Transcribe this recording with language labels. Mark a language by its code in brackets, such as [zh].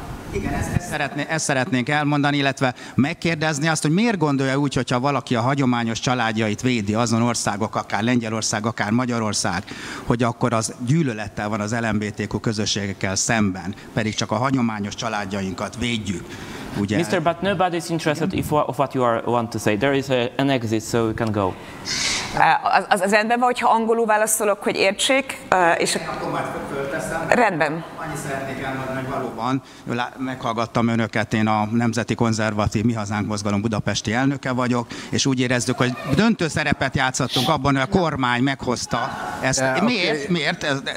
[hu] Igen, ezt szeretnénk elmondani, illetve megkérdezni azt, hogy miért gondolja úgy, hogyha valaki a hagyományos családjait védi, azon országok, akár Lengyelország, akár Magyarország, hogy akkor az gyűlölettel van az LMBTQ közösségekkel szemben, pedig csak a hagyományos családjainkat védjük. Ugye? Mr. [en] But nobody is interested if what you are want to say. There is an exit, so we can go. [hu] Az rendben van, hogyha angolul válaszolok, hogy értsék. És rendben. Annyi szeretnék elmondani, valóban meghallgattam önöket, én a Nemzeti Konzervatív Mi Hazánk Mozgalom budapesti elnöke vagyok, és úgy érezzük, hogy döntő szerepet játszhattunk abban, hogy a kormány meghozta ezt. Miért?